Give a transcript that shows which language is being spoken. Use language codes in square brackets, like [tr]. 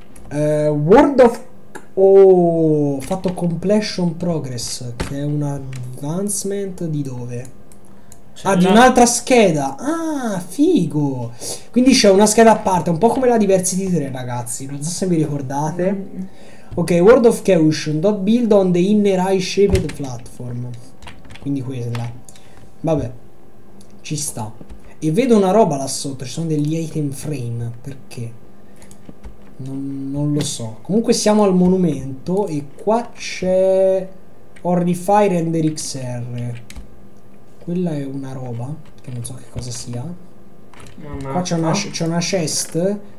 [it] World of... Oh, ho fatto completion progress, che è un advancement di dove? Ah, di un'altra scheda. Ah, figo. Quindi c'è una scheda a parte, un po' come la diversity 3, ragazzi. Non so se vi ricordate. [en] Ok, World of Caution, dot build on the inner eye shaped platform. [it] Quindi quella. Vabbè, ci sta. E vedo una roba là sotto, ci sono degli item frame. Perché? Non lo so. Comunque siamo al monumento e qua c'è Horrifier Ender XR. Quella è una roba che non so che cosa sia. Qua c'è una chest.